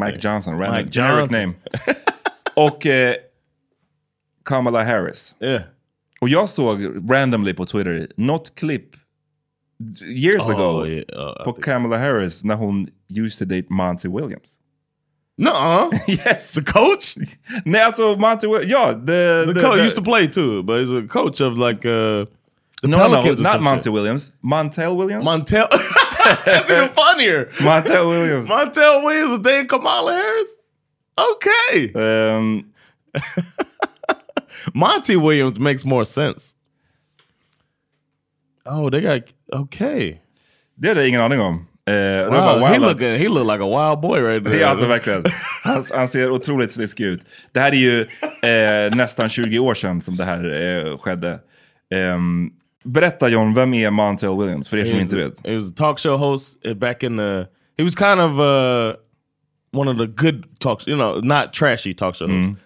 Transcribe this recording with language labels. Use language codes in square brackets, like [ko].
[sv] Mike Johnson. Och Kamala Harris. [en] Yeah. [sv] Och jag såg randomly på Twitter, något klipp [en] years ago [sv] på Kamala Harris när hon [en] used to date [sv] Monty Williams. [en] Nuh-uh. Yes. The coach? [sv] Nej, alltså Monty Williams. Ja, the [en] coach used to play too, but he's a coach of like the Pelicans. No, not Monty Williams. Montel Williams? Montel. That's even funnier. Montel Williams. Montel Williams is dating Kamala Harris? Okay. Monty Williams makes more sense. Oh, they got... Okay. [sv] Det är ingen aning om. [en] Wow, bara, he look like a wild boy right there. [sv] Ja, alltså verkligen. Han ser otroligt slisk ut. Det här är ju nästan 20 år sedan som det här skedde. Berätta, John, vem är Montel Williams? För er som inte vet. [en] He was a talk show host back in the... He was kind of one of the good talk show, you know, not trashy talk show hosts.